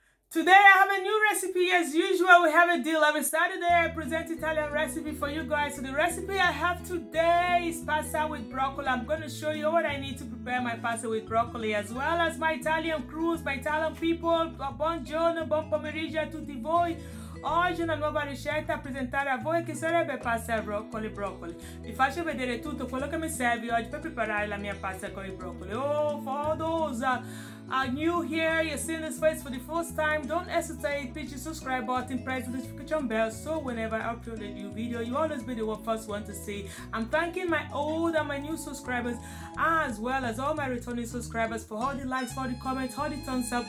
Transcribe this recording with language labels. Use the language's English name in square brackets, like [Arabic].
[English] Today, I have a new recipe. As usual, we have a deal. Every Saturday, I present Italian recipe for you guys. So the recipe I have today is pasta with broccoli. I'm going to show you what I need to prepare my pasta with broccoli, as well as my Italian crews, my Italian people. [Italian] Buongiorno, buon pomeriggio a tutti voi. Oggi una nuova ricetta a presentare a voi, che sarebbe pasta broccoli broccoli. Vi faccio vedere tutto quello che mi serve oggi per preparare la mia pasta con i broccoli. [English] Oh, for those are new here, you're seeing this face for the first time, don't hesitate, hit the subscribe button, press the notification bell, so whenever I upload a new video, you always be the first one to see. I'm thanking my old and my new subscribers, as well as all my returning subscribers, for all the likes, all the comments, all the thumbs up.